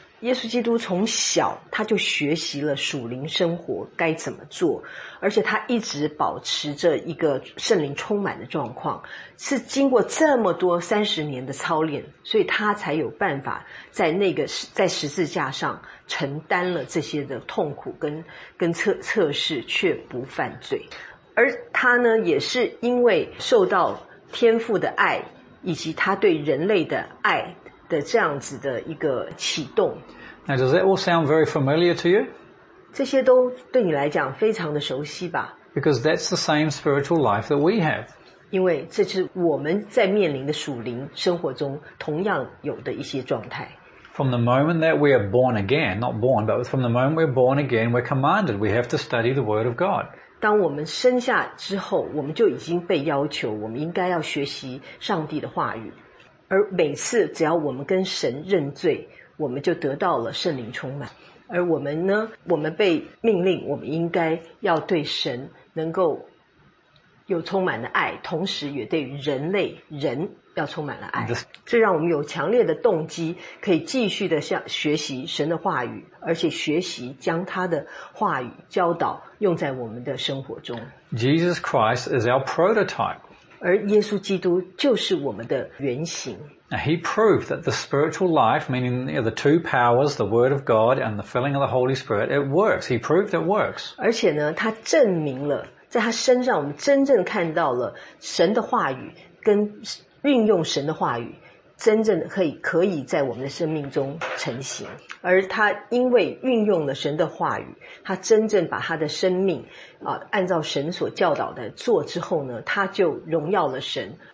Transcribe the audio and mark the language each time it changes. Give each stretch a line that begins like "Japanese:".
Chinese: 耶稣基督从小他就学习了属灵生活该怎么做，而且他一直保持着一个圣灵充满的状况，是经过这么多30年的操练，所以他才有办法在那个在十字架上承担了这些的痛苦跟测试却不犯罪。而他呢，也是因为受到天父的爱以及他对人类的爱的这样子的一个启动。
English: Now, does that all sound very familiar to you?
Chinese: 这些都对你来讲非常的熟悉吧。
English: Because that's the same spiritual life that we have.
Chinese: 因为这是我们在面临的属灵生活中同样有的一些状态。
English: From the moment that we are born again, not born, but from the moment we are born again, we're commanded, we have to study the word of God.
Chinese: 当我们生下之后，我们就已经被要求，我们应该要学习上帝的话语。而每次只要我们跟神认罪，我们就得到了圣灵充满。而我们呢，我们被命令，我们应该要对神能够有充满的爱，同时也对人类人要充满了爱。这让我们有强烈的动机，可以继续的向学习神的话语，而且学习将他的话语教导用在我们的生活中。
English: Jesus Christ is our prototype.
Chinese: 而耶稣基督就是我们的原型。
English: Now, he proved that the spiritual life, meaning the two powers, the word of God and the filling of the Holy Spirit, it works. He proved it works.
Chinese: 而且呢，他证明了，在他身上我们真正看到了神的话语跟运用神的话语真正可以在我们的生命中成型。而他因为运用了神的话语，他真正把他的生命按照神所教导的做之后呢，他就荣耀了神。